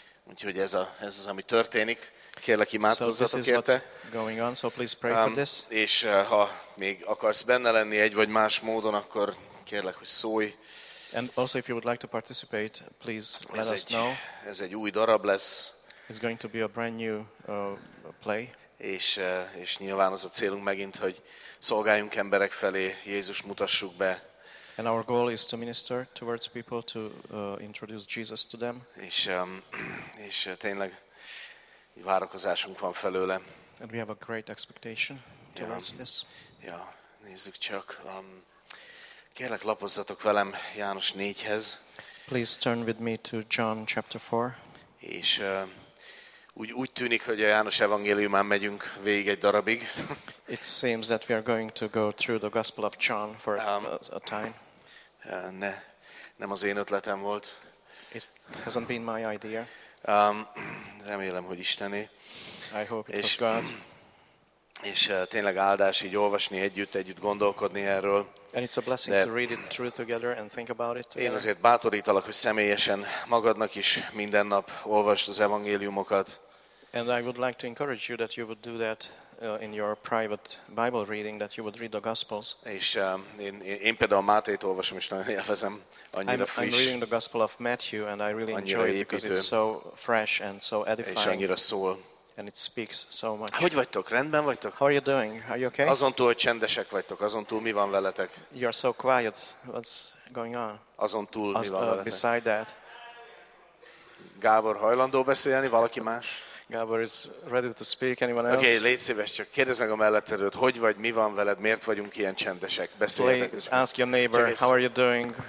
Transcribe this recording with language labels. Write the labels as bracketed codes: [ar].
[hu] Úgyhogy ez az, ami történik. Kérlek, imádkozzatok érte. [en] So this is what's going on, so please pray for this. [hu] És ha még akarsz benne lenni egy vagy más módon, akkor kérlek, hogy szólj. [en] And also, if you would like to participate, please let us know. [hu] Ez egy új darab lesz. [en] It's going to be a brand new play. [hu] És nyilván az a célunk megint, hogy szolgáljunk emberek felé, Jézus mutassuk be. [en] And our goal is to minister towards people, to introduce Jesus to them. [hu] És tényleg várakozásunk van felőle. [en] And we have a great expectation towards this. [hu] Ja, nézzük csak. Kérlek, lapozzatok velem János 4-hez. [en] Please turn with me to John chapter 4. [hu] És úgy tűnik, hogy a János evangéliumán megyünk végig egy darabig. [en] It seems that we are going to go through the Gospel of John for a time. [hu] Nem az én ötletem volt. [en] It hasn't been my idea. [hu] Remélem, hogy Istené. [en] I hope it was God. [hu] És tényleg áldás így olvasni együtt gondolkodni erről. [en] And it's a blessing to read it through together and think about it together. [hu] Én azért bátorítalak, hogy személyesen magadnak is minden nap olvasd az evangéliumokat. [en] And I would like to encourage you that you would do that in your private Bible reading, that you would read the Gospels. [hu] És én például Mátét olvasom, és nagyon élvezem, annyira friss. [en] I'm reading the Gospel of Matthew and I really enjoy it because it's so fresh and so edifying. [hu] És annyira szól. [en] And it speaks so much. [hu] Hogy vagytok? Rendben vagytok? [en] How are you doing? Are you okay? [hu] Azon túl, hogy csendesek vagytok, azon túl mi van veletek? [en] You're so quiet. What's going on? [hu] Azon túl mi van veletek? [en] Beside that. [hu] Gábor hajlandó beszélni, valaki más? [en] Gábor is ready to speak. Anyone else? [hu] Okay, légy szíves, csak kérdezz meg a melletterőt, hogy vagy, mi van veled, miért vagyunk ilyen csendesek? [en] Please ask your neighbor, how are you doing?